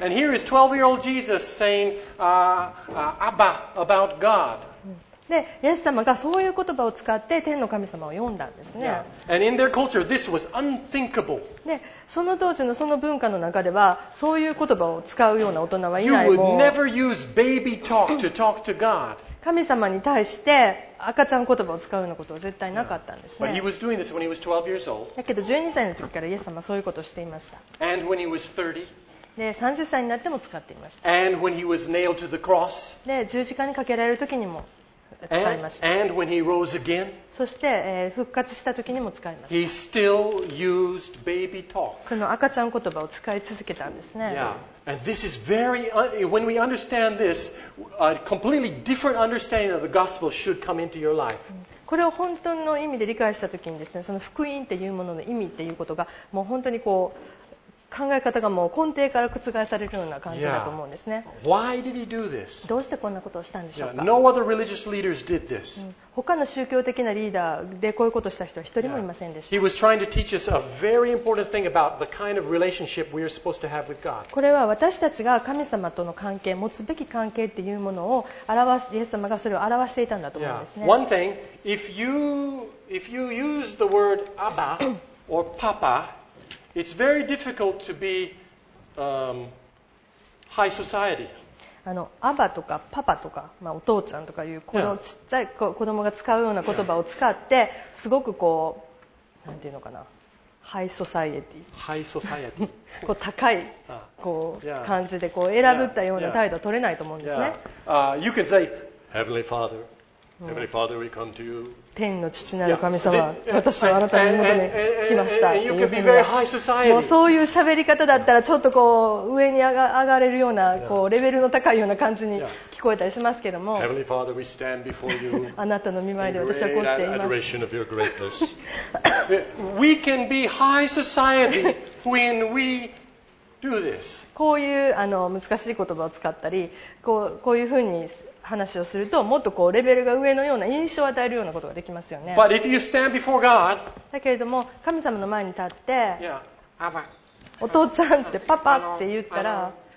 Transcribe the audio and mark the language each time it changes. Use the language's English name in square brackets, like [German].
[English] Yeah, and here is 12-year-old Jesus saying Abba about God. [Japanese] で、イエス様がそういう言葉を使って天の神様を呼んだんですね。 [English] Yeah. And in their culture, this was unthinkable. [Japanese] で、その当時のその文化の中ではそういう言葉を使うような大人はいない。 [English] You would never use baby talk to talk to God. [Japanese] 神様に対して赤ちゃん言葉を使うようなことは絶対なかったんですね。 [English] But he was doing this when he was 12 years old. [Japanese] だけど12歳の時からイエス様はそういうことをしていました。 [English] And when he was 30. [Japanese] で30歳になっても使っていました。 [English] And when he was nailed to the cross. [Japanese] で、十字架にかけられる時にも使いました。 [English] And when he rose again, [Japanese] そして、復活した時にも使いました。 [English] He still used baby talk. [Japanese] その赤ちゃん言葉を使い続けたんですね。 [English] Yeah. And this is very, when we understand this, a completely different understanding of the gospel should come into your life. [Japanese] これを本当の意味で理解した時にですね、その福音っていうものの意味っていうことがもう本当にこう考え方がもう根底から覆されるような感じだと思うんですね。 [English] Why did he do this? [Japanese] どうしてこんなことをしたんでしょうか。 [English] No other religious leaders did this. [Japanese] 他の宗教的なリーダーでこういうことをした人は一人もいませんでした。 [English] He was trying to teach us a very important thing about the kind of relationship we are supposed to have with God. [Japanese] これは私たちが神様との関係、持つべき関係っていうものを表し、イエス様がそれを表していたんだと思うんですね。 [English] One thing, if you use the word Abba or Papa,It's very difficult to be, high society. [Japanese] あのアバとかパパとか、まあ、お父ちゃんとかいうこのちっちゃい子供が使うような言葉を使ってすごくこうなんていうのかなハイソサイエティ、ハイソサイエティ、こう高いこう感じでこう選ぶったような態度は取れないと思うんですね。 [English] You can say, Heavenly Father. Heavenly Father, we come to you. [Japanese] 天の父なる神様、私はあなたの元に来ました。もうそういう喋り方だったらちょっとこう上に上がれるようなこうレベルの高いような感じに聞こえたりしますけども、 [English] Heavenly Father, we stand before you. [Japanese] あなたの御前で私はこうしています。 [English] Adoration of your greatness. We can be high society when we do this. [Japanese] こういうあの難しい言葉を使ったり、こういうふうに。話をするともっとこうレベルが上のような印象を与えるようなことができますよね。 [English] But if you stand before God, [Japanese] だけれども神様の前に立って、 [English] yeah. Abba. [Japanese] お父ちゃんってパパって言ったら、